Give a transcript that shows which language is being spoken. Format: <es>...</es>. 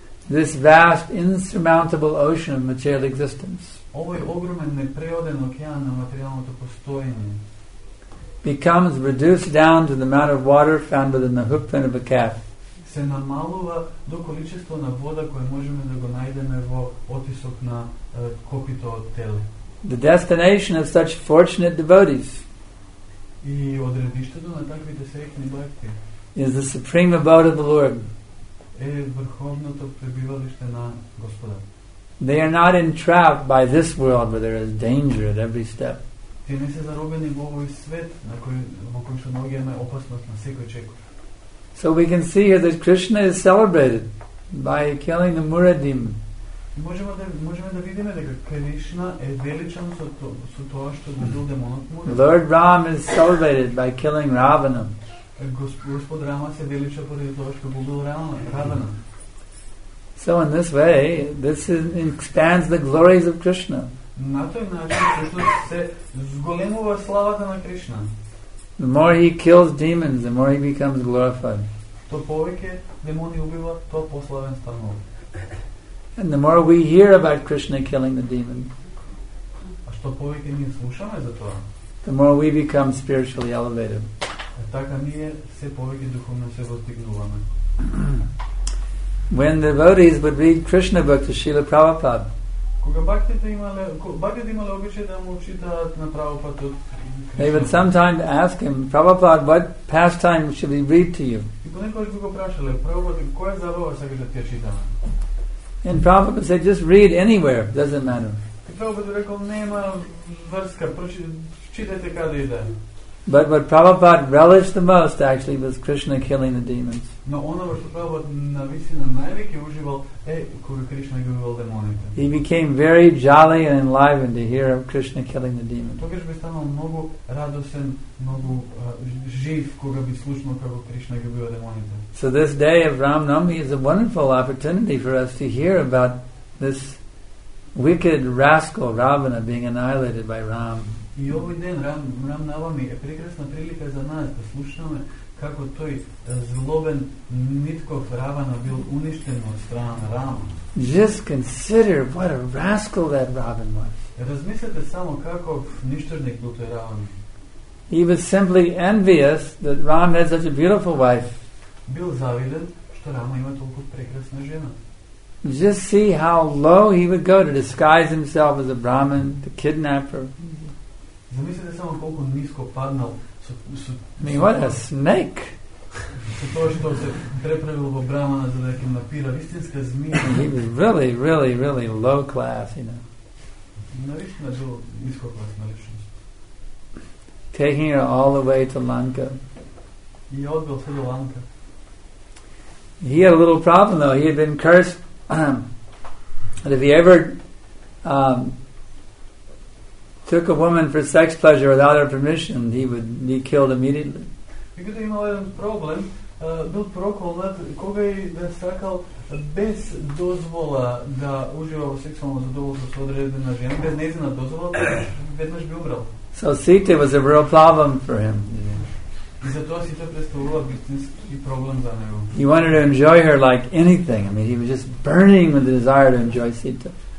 <en>This vast, insurmountable ocean of material existence becomes reduced down to the amount of water found within the hoof fin of a calf.</en> <mk>се намалува до количество на вода која можеме да го најдеме во отисок на копито од теле.</mk> <en>The destination of such fortunate devotees.</en> <mk>И одредиштето на таквите среќни бхакти.</mk> <en>Is the supreme abode of the Lord.</en> <mk>Е врховното пребивалиште на Господа.</mk> <en>They are not entrapped by this world where there is danger at every step.</en> <mk>Тие не се заробени во овој свет на кој во кој што многу имаме опасност на секој чекор.</mk> <en>So we can see here that Krishna is celebrated by killing the Muradim.</en> <mk>Можеме да видиме дека Кришна е величан со тоа што го убил демонот Мурад.</mk> <en>Lord Ram is celebrated by killing Ravana.</en> <mk>Господ Рама се величи поради тоа што го убил Равана.</mk> <en>So in this way, this expands the glories of Krishna.</en> <mk>На тој начин Кришна се зголемува славата на Кришна.</mk> <en>The more he kills demons, the more he becomes glorified.</en> <mk>То повеќе демони убива, то пославен станува.</mk> <en>And the more we hear about Krishna killing the demon,</en> <mk>а што повеќе ние слушаме за тоа,</mk> <en>the more we become spiritually elevated.</en> <mk>Така ние се повеќе духовно се воздигнуваме.</mk> <en>When the devotees would read Krishna book to Srila Prabhupada,</en> <mk>кога бактите имале обичај да му читаат на Прабхупад од Кришна.</mk> <en>They would sometimes ask him, Prabhupada, what pastime should we read to you?</en> <mk>И понекогаш би го прашале, Прабхупада, која забава сакаш да ти ја читаме?</mk> <en>And Prabhupada said, just read anywhere, doesn't matter.</en> <mk>И Прабхупада рекол, нема врска, читајте каде иде.</mk> <en>But what Prabhupada relished the most actually was Krishna killing the demons.</en> <mk>Но оно што Прабхупада навистина највеќе уживал е кога Кришна ги убивал демоните.</mk> <en>He became very jolly and enlivened to hear of Krishna killing the demons.</en> <mk>Тогаш би станал многу радосен, многу жив кога би слушнал како Кришна ги убива демоните.</mk> <en>So this day of Ram Navami is a wonderful opportunity for us to hear about this wicked rascal Ravana being annihilated by Ram.</en> <mk>И овој ден Рам Навами е прекрасна прилика за нас да слушаме како тој злобен Митков Равана бил уништен од страна на Рама.</mk> <en>Just consider what a rascal that Ravan was.</en> <mk>Размислете само како ништожник бил тој Равана.</mk> <en>He was simply envious that Ram had such a beautiful wife.</en> <mk>Бил завиден што Рама има толку прекрасна жена.</mk> <en>Just see how low he would go to disguise himself as a Brahmin, the kidnapper.</en> <mk>Замислете само колку ниско паднал со</mk> <en>what a snake.</en> <mk>Со тоа што се преправил во брамана за да ќе напира вистинска змија.</mk> <en>He was really, really, really low class, you know.</en> <mk>Навистина бил ниско класна личност.</mk> <en>Taking her all the way to Lanka.</en> <mk>И одбил се до Ланка.</mk> <en>He had a little problem though. He had been cursed. And if he ever took a woman for sex pleasure without her permission, he would be killed immediately.</en> <mk>Бидејќи имал еден проблем, бил проколнат кога и да сакал без дозвола да ужива во сексуално задоволство со одредена жена, без нејзина дозвола, веднаш би умрел.</mk> <en>So Sita was a real problem for him.</en> <mk>И затоа Сита претставува вистински проблем за него.</mk> <en>He wanted to enjoy her like anything. I mean, he was just burning with the desire to enjoy Sita.</en>